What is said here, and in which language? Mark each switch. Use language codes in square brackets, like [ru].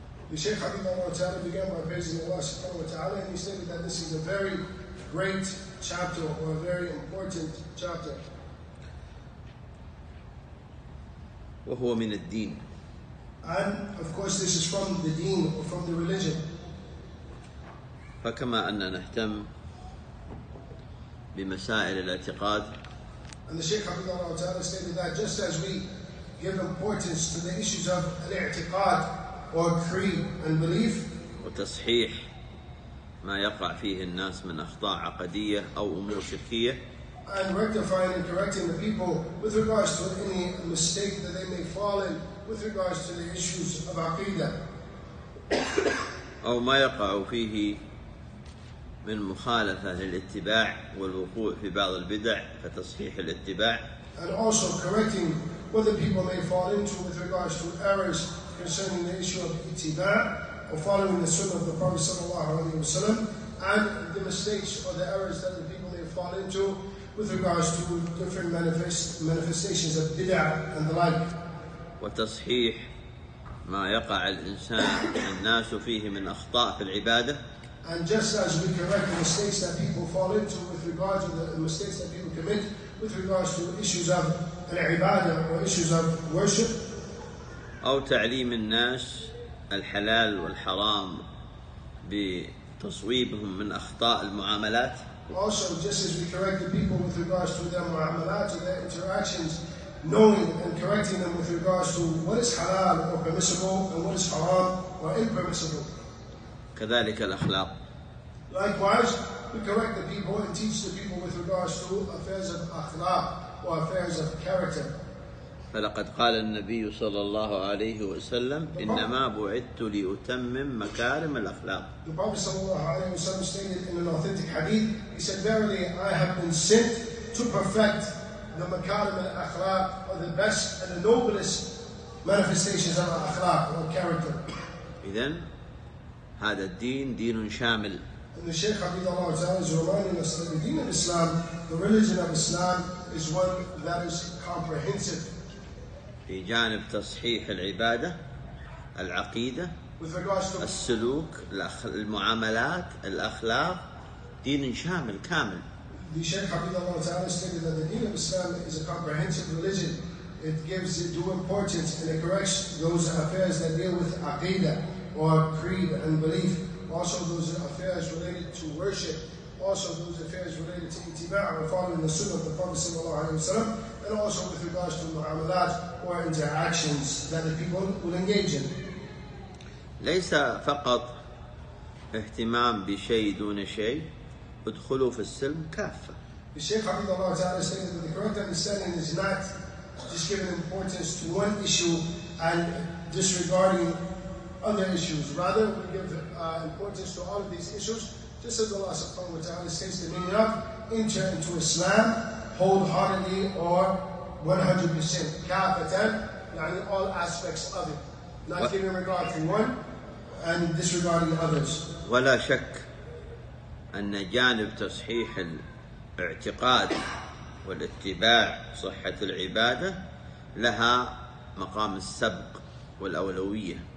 [en] The Shaykh Habib Allah Ta'ala began by praising Allah subhanahu wa ta'ala, and he stated that this is a very great chapter or a very important chapter. [ar] وهو من الدين. [en] And of course this is from the deen or from the religion. [ar] فكما أننا نهتم بمسائل الاعتقاد. [en] And the Shaykh Habib Allah Ta'ala stated that just as we give importance to the issues of al-i'tiqad or creed and belief. [ar] وتصحيح ما يقع فيه الناس من أخطاء عقدية أو أمور شركية. [en] And rectifying and correcting the people with regards to any mistake that they may fall in with regards to the issues of aqidah. [ar] أو ما يقع فيه من مخالفة للاتباع والوقوع في بعض البدع فتصحيح الاتباع. [en] And also correcting what the people may fall into with regards to errors concerning the issue of ittiba or following the sunnah of the Prophet sallallahu alaihi wasallam, and the mistakes or the errors that the people may fall into with regards to different manifestations of bid'ah and the like. [ar] وتصحيح ما يقع الإنسان الناس فيه من أخطاء في العبادة. [en] And just as we correct the mistakes that people fall into with regards to the mistakes that people commit with regards to issues of العباده or issues of worship [ar] او تعليم الناس الحلال والحرام بتصويبهم من اخطاء المعاملات. [en] Also just as we correct the people with regards to their معاملات or their interactions, knowing and correcting them with regards to what is halal or permissible and what is haram or impermissible. [ar] كذلك الاخلاق. [en] Likewise, we correct the people and teach the people with regards to affairs of akhlaq or affairs of character. [ar] فلقد قال النبي صلى الله عليه وسلم إنما بعثت لأتمم مكارم الأخلاق. [en] The Prophet صلى الله عليه وسلم stated in an authentic hadith, he said, verily I have been sent to perfect the makarim al-akhlaq, or the best and the noblest manifestations of al-akhlaq or character. [ar] إذن هذا الدين دين شامل. [en] And the Shaykh Habib Allah Ta'ala is reminding us that the deen of Islam, the religion of Islam, is one that is comprehensive. [ar] في جانب تصحيح العبادة العقيدة [en] with regards to [ar] السلوك المعاملات الأخلاق دين شامل كامل. [en] the Shaykh Hafidhullah Ta'ala stated that the deen of Islam is a comprehensive religion. It gives it due importance and it corrects those affairs that deal with aqidah or creed and belief. Also those affairs related to worship. Also those affairs related to itiba' or following the sunnah of the Prophet sallallahu alayhi wa sallam. And also with regards to mu'amalat or interactions that the people will engage in. [ar] ليس فقط اهتمام بشيء دون شيء ادخلوا في السلم كافة. الشيخ حفظه الله تعالى [en] said that the correct understanding is not just giving importance to one issue and disregarding other issues. Rather, we give importance to all of these issues. Just as Allah subhanahu wa ta'ala says that enough, enter into Islam wholeheartedly or 100% [ar] كافةً يعني [en] all aspects of it. Not giving regard to one and disregarding others. [ar] ولا شك أن جانب تصحيح الاعتقاد والاتباع صحة العبادة لها مقام السبق والأولوية.